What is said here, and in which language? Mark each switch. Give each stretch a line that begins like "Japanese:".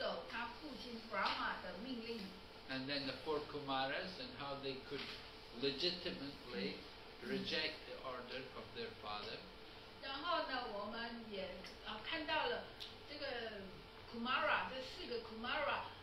Chinese: 我们也说到，Manu呢，他就是遵守孝顺的遵守他父亲Brahma的命令。
English: And then the four Kumaras and how they could legitimately reject the order of their father.
Chinese: 然后呢，我们也看到了这个Kumara，这四个Kumara。